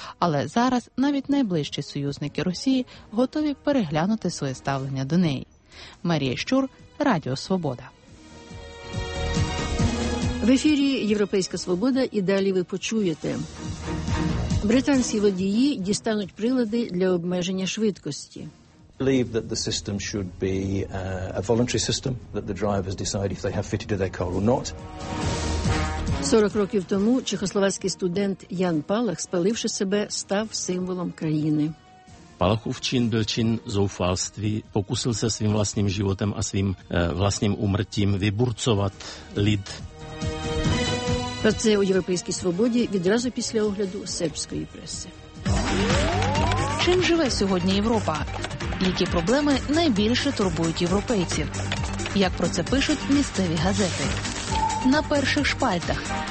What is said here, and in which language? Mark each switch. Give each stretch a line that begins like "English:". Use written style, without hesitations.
Ukrainian: Але зараз навіть найближчі союзники Росії готові переглянути своє ставлення до неї. Марія Щур, Радіо Свобода. В ефірі «Європейська свобода» і далі ви почуєте. Британські водії дістануть прилади для обмеження швидкості.
English: Believe that the system should be a voluntary system that the drivers decide if they have fitted to their car or not.
Ukrainian: 40 років тому чехословацький студент Ян Палах, спаливши себе, став символом країни.
Czech: Палахův чin byl čin zoufalství, pokusil se svým vlastním životem a svým vlastním úmrtím vyburcovat lid.
Ukrainian: Про це у Європейській свободі відразу після огляду сербської преси. Чим живе сьогодні Європа? Які проблеми найбільше турбують європейців? Як про це пишуть місцеві газети? На перших шпальтах.